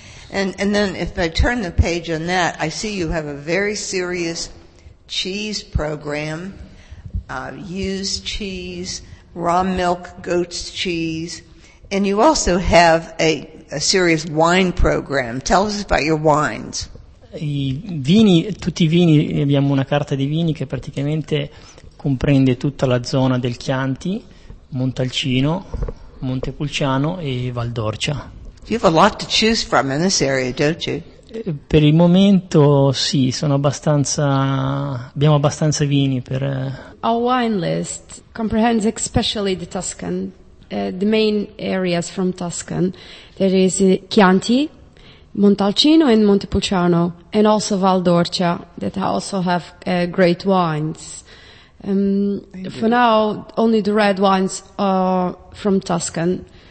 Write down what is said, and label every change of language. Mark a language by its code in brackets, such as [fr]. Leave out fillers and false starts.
[en] And then if I turn the page on that, I see you have a very serious cheese program. Used cheese. Raw milk, goat's cheese, and you also have a serious wine program. Tell us about your wines. [it] I vini, tutti i vini, abbiamo una carta di vini che praticamente comprende tutta la zona del Chianti, Montalcino, Montepulciano e Val d'Orcia. [en] You have a lot to choose from in this area, don't you? [it] Per il momento sì, sono abbastanza, abbiamo abbastanza vini per. [en] Our wine list comprehends especially the Tuscan, the main areas from Tuscan. There is Chianti, Montalcino and Montepulciano, and also Val d'Orcia that also have great wines. For now, only the red wines are from Tuscan.